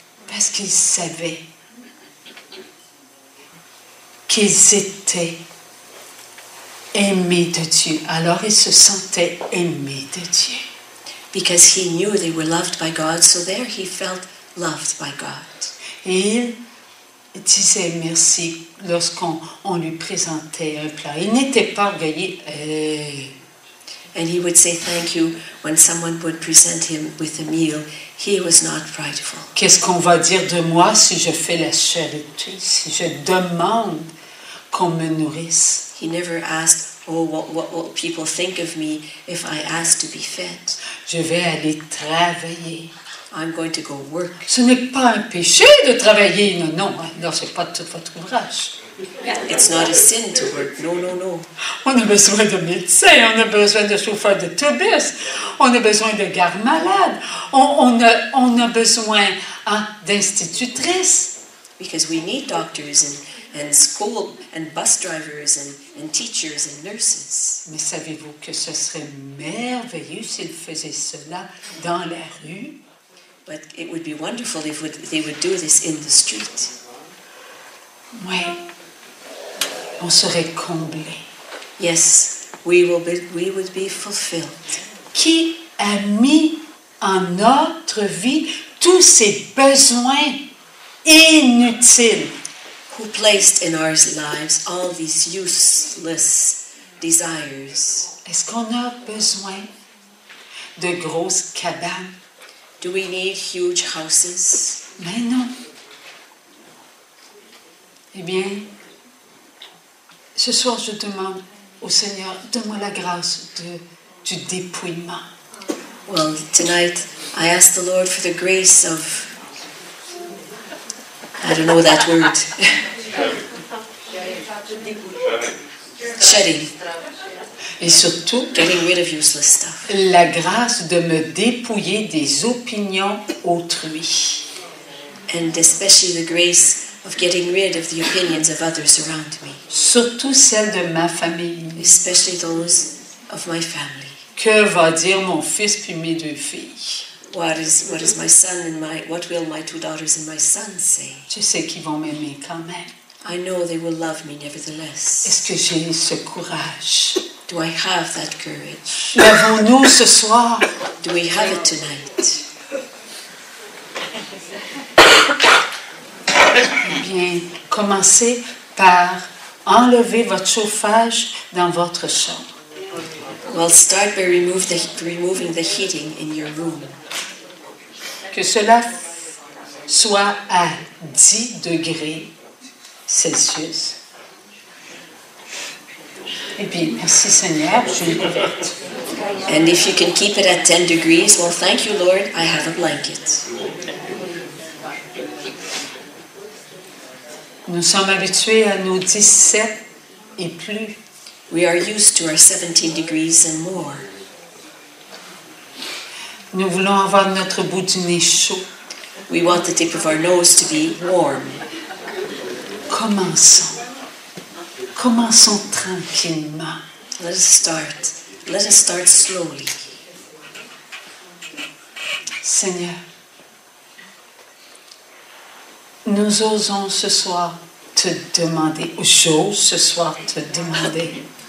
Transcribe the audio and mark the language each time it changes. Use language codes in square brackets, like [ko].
[fr] Parce qu'il savait qu'ils étaient aimés de Dieu. Alors ils se sentaient aimés de Dieu. [en] Because he knew they were loved by God, so there he felt loved by God. [fr] Et il disait merci lorsqu'on lui présentait un plat. Il n'était pas orgueillé. [en] And he would say thank you when someone would present him with a meal. He was not prideful. [fr] Qu'est-ce qu'on va dire de moi si je fais la charité, si je demande qu'on me nourrisse? [en] He never asked, what will people think of me if I ask to be fed? [fr] Je vais aller travailler. [en] I'm going to go work. [fr] Ce n'est pas un péché de travailler, non, non. Non, ce n'est pas tout votre ouvrage. [en] It's not a sin to work, no, no, no. [fr] On a besoin de médecins, on a besoin de chauffeurs de tourbus, on a besoin de gardes malades, on a besoin d'institutrices. [en] Because we need doctors and school and bus drivers and teachers and nurses. [fr] Mais savez-vous que ce serait merveilleux s'ils faisaient cela dans la rue? [en] But it would be wonderful if they would do this in the street. [fr] Oui. On serait comblé. [en] Yes, we would be fulfilled. [fr] Qui a mis en notre vie tous ces besoins inutiles? [en] Who placed in our lives all these useless desires? [fr] Est-ce qu'on a besoin de grosses cabanes? [en] Do we need huge houses? [fr] Mais non. Eh bien, ce soir, je demande au Seigneur, donne-moi la grâce du dépouillement. [en] Well, tonight, I ask the Lord for the grace of... I don't know that word. Shedding. [fr] Et surtout, [en] getting rid of useless stuff. [fr] La grâce de me dépouiller des opinions autrui. [en] And especially the grace of getting rid of the opinions of others around me. [fr] Surtout celles de ma famille. [en] Especially those of my family. [fr] Que va dire mon fils puis mes deux filles? [en] What is my son and my what will my two daughters and my son say? [fr] Je sais qu'ils vont m'aimer quand même. [en] I know they will love me nevertheless. [fr] Est-ce que j'ai ce courage? [en] Do I have that courage? [fr] L'avons-nous ce soir? [en] Do we have it tonight? [fr] Bien. bien commencer par enlever votre chauffage dans votre chambre. [en] Well, start by removing the heating in your room. [fr] Que cela soit à 10 degrés Celsius. Et puis, merci Seigneur, j'ai une couverture. [en] And if you can keep it at 10 degrees, well, thank you, Lord, I have a blanket. [fr] Nous sommes habitués à nos 17 et plus. [en] We are used to our 17 degrees and more. [fr] Nous voulons avoir notre bout du nez chaud. [en] We want the tip of our nose to be warm. [fr] Commençons. Commençons tranquillement. [en] Let us start. Let us start slowly. [fr] Seigneur, nous osons ce soir te demander, ou j'ose ce soir te demander.